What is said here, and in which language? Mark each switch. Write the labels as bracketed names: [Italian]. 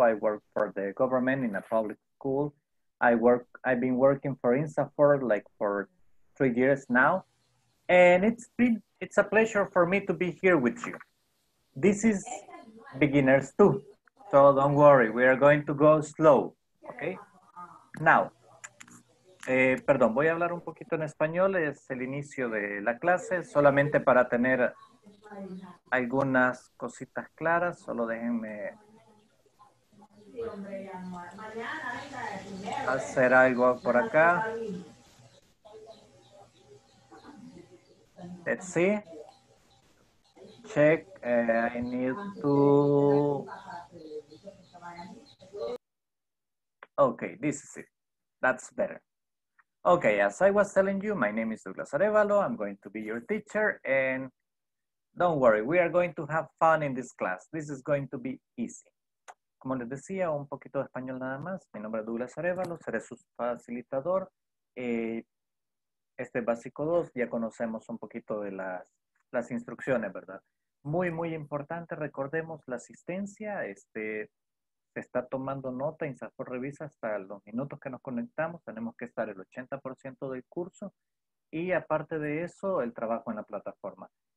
[English] I work for the government in a public school. I've been working for INSAFORP like for 3 years now. And it's a pleasure for me to be here with you. This is beginners too. So don't worry, we are going to go slow, okay? [Spanish] Now, perdón, voy a hablar un poquito en español. Es el inicio de la clase, solamente para tener algunas cositas claras. Solo déjenme hacer algo por acá. [English] Let's see. Check. I need to... Okay, this is it. That's better. Okay, as I was telling you, my name is Douglas Arevalo. I'm going to be your teacher. And don't worry, we are going to have fun in this class. This is going to be easy. [Spanish] Como les decía, un poquito de español nada más. Mi nombre es Douglas Arevalo. Seré su facilitador. Este básico 2, ya conocemos un poquito de las instrucciones, ¿verdad? Muy, muy importante. Recordemos la asistencia. Se está tomando nota, INSAFORP revisa hasta los minutos que nos conectamos, tenemos que estar el 80% del curso y aparte de eso, el trabajo en la plataforma.